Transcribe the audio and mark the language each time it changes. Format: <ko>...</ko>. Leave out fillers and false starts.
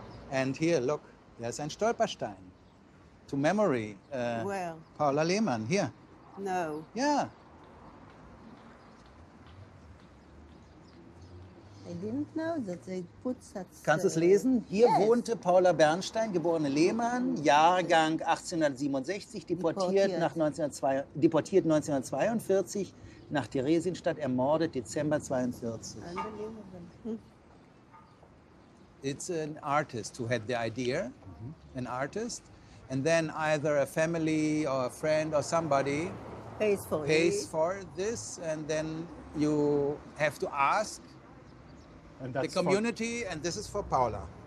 <en>And here, look, there's ein Stolperstein. To memory, well, Paula Lehmann, here. No. Yeah. I didn't know that they put such...</en> <de>Kannst du es lesen? Hier yes. Wohnte Paula Bernstein, geborene Lehmann, Jahrgang 1867, deportiert. Deportiert 1942, nach Theresienstadt, ermordet Dezember 42.</de> <en>It's an artist who had the idea, mm-hmm. An artist, and then either a family or a friend or somebody pays for this, and then you have to ask the community, and this is for Paula.</en>